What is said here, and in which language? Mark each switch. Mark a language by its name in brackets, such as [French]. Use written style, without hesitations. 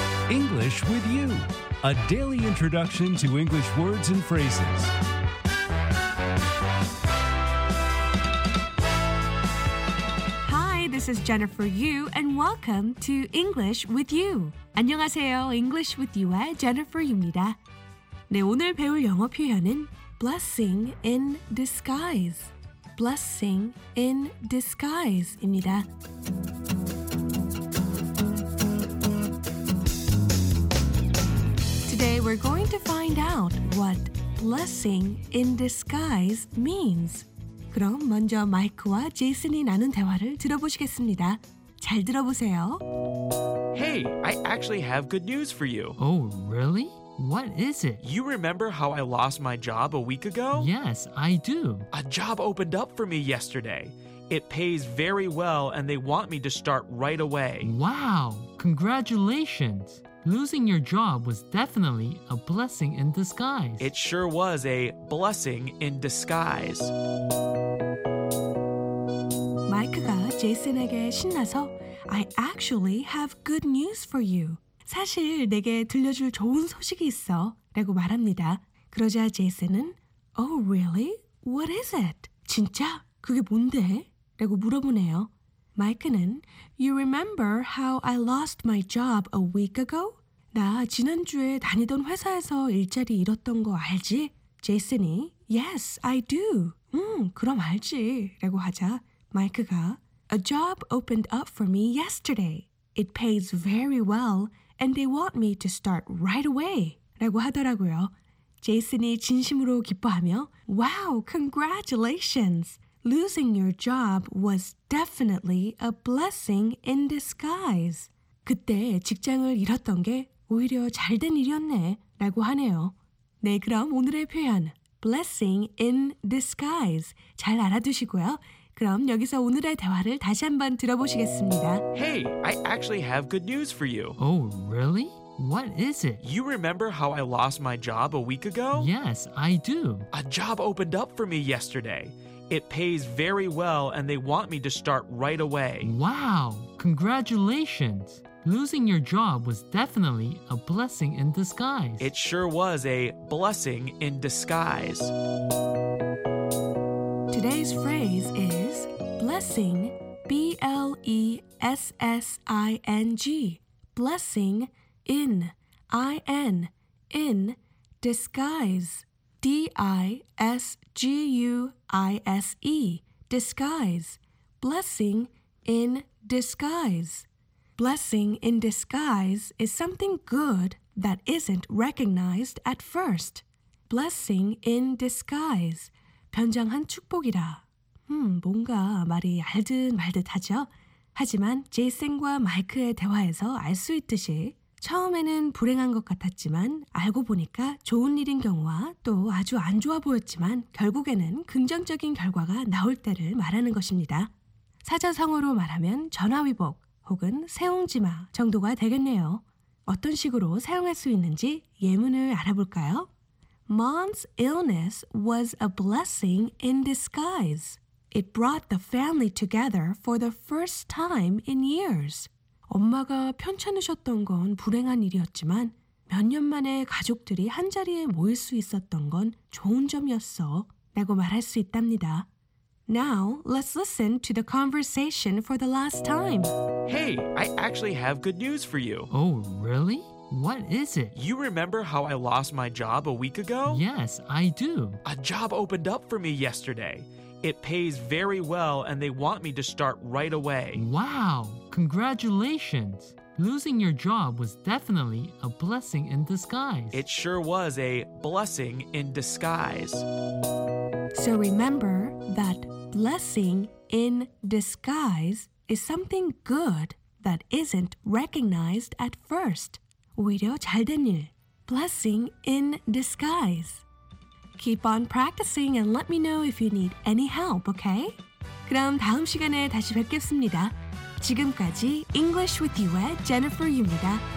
[English] English with you, a daily introduction to English words and phrases. Hi, this is Jennifer Yu, and welcome to English with you. [Korean] 안녕하세요, English with you의 Jennifer Yu입니다. 네, 오늘 배울 영어 표현은 blessing in disguise, blessing in disguise입니다. 그럼 먼저 마이크와 제이슨이 나눈 대화를 들어보시겠습니다. 잘 들어보세요. [English] Hey, I actually have good news for you. Oh, really? What is it? You remember how I lost my job a week ago? Yes, I do. A job opened up for me yesterday. It pays very well and they want me to start right away. Wow, congratulations. Losing your job was definitely a blessing in disguise. It sure was a blessing in disguise. [Korean] 마이크가 제이슨에게 신나서 [English] I actually have good news for you. [Korean] 사실 내게 들려줄 좋은 소식이 있어 라고 말합니다. 그러자 제이슨은 [English] Oh really? What is it? [Korean] 진짜? 그게 뭔데? 라고 물어보네요. [English] 마이크는 You remember how I lost my job a week ago? [Korean] 나 지난주에 다니던 회사에서 일자리 잃었던 거 알지? [English] 제이슨이 Yes, I do. [Korean] 그럼 알지. 라고 하자 마이크가 [English] A job opened up for me yesterday. It pays very well and they want me to start right away. [Korean] 라고 하더라고요. 제이슨이 진심으로 기뻐하며 [English] Wow, congratulations! Losing your job was definitely a blessing in disguise. [Korean] 그때 직장을 잃었던 게 오히려 잘된 일이었네 라고 하네요. 네, 그럼 오늘의 표현 blessing in disguise 잘 알아두시고요. 그럼 여기서 오늘의 대화를 다시 한번 들어보시겠습니다. [English] Hey, I actually have good news for you. Oh, really? What is it? You remember how I lost my job a week ago? Yes, I do. A job opened up for me yesterday. It pays very well and they want me to start right away. Wow, congratulations. Losing your job was definitely a blessing in disguise. It sure was a blessing in disguise. Today's phrase is blessing, B-L-E-S-S-I-N-G, blessing in disguise. D-I-S-G-U-I-S-E, disguise, blessing in disguise. Blessing in disguise is something good that isn't recognized at first. Blessing in disguise, [Korean] 변장한 축복이다. 뭔가 말이 알듯 말듯 하죠? 하지만 제이슨과 마이크의 대화에서 알 수 있듯이 처음에는 불행한 것 같았지만 알고 보니까 좋은 일인 경우와 또 아주 안 좋아 보였지만 결국에는 긍정적인 결과가 나올 때를 말하는 것입니다. 사자성어로 말하면 전화위복 혹은 세옹지마 정도가 되겠네요. 어떤 식으로 사용할 수 있는지 예문을 알아볼까요? [English] Mom's illness was a blessing in disguise. It brought the family together for the first time in years. [Korean] 엄마가 편찮으셨던 건 불행한 일이었지만 몇 년 만에 가족들이 한자리에 모일 수 있었던 건 좋은 점이었어 라고 말할 수 있답니다. [English] Now, let's listen to the conversation for the last time. Hey, I actually have good news for you. Oh, really? What is it? You remember how I lost my job a week ago? Yes, I do. A job opened up for me yesterday. It pays very well, and they want me to start right away. Wow! Congratulations! Losing your job was definitely a blessing in disguise. It sure was a blessing in disguise. So remember that blessing in disguise is something good that isn't recognized at first. [Korean] 오히려 잘된 일. Blessing in disguise. [English] Keep on practicing and let me know if you need any help, okay? [Korean] 그럼 다음 시간에 다시 뵙겠습니다. 지금까지 English with you의 Jennifer입니다.